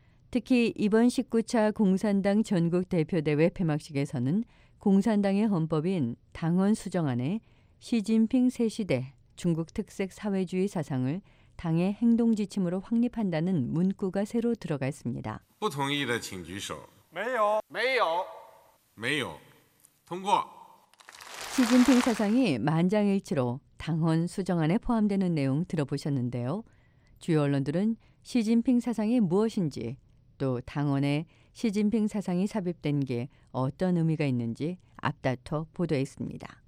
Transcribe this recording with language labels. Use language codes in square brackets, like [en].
[ko] 특히 이번 19차 공산당 전국 대표대회 폐막식에서는 공산당의 헌법인 당헌 수정안에 시진핑 새 시대 중국 특색 사회주의 사상을 당의 행동 지침으로 확립한다는 문구가 새로 들어갔습니다. [zh] 不同意的请举手.没有.没有.没有.通过. [ko] 시진핑 사상이 만장일치로 당헌 수정안에 포함되는 내용 들어보셨는데요. 주요 언론들은 시진핑 사상이 무엇인지 또 당헌에 시진핑 사상이 삽입된 게 어떤 의미가 있는지 앞다퉈 보도했습니다.